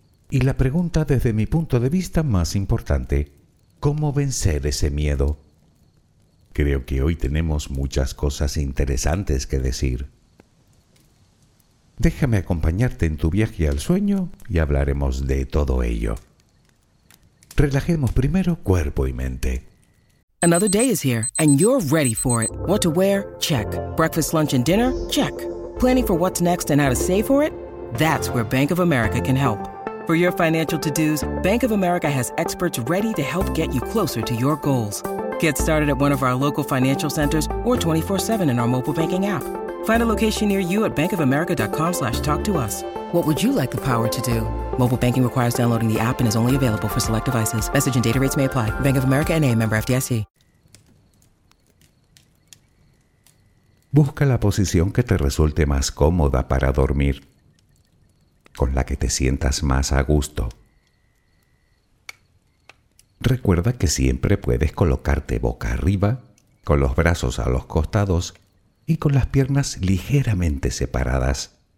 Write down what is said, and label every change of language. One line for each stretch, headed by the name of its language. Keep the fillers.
Spanish: Y la pregunta desde mi punto de vista más importante, ¿cómo vencer ese miedo? Creo que hoy tenemos muchas cosas interesantes que decir. Déjame acompañarte en tu viaje al sueño y hablaremos de todo ello. Relajemos primero cuerpo y mente.
English: Another day is here and you're ready for it. What to wear? Check. Breakfast, lunch and dinner? Check. Planning for what's next and how to save for it? That's where Bank of America can help. For your financial to-dos, Bank of America has experts ready to help get you closer to your goals. Get started at one of our local financial centers or 24-7 in our mobile banking app. Find a location near you at bankofamerica.com slash talk us. What would you like the power to do? Mobile banking requires downloading the app and is only available for select devices. Message and data rates may apply. Bank of America NA member FDIC.
Spanish: Busca la posición que te resulte más cómoda para dormir, con la que te sientas más a gusto. Recuerda que siempre puedes colocarte boca arriba, con los brazos a los costados y con las piernas ligeramente separadas.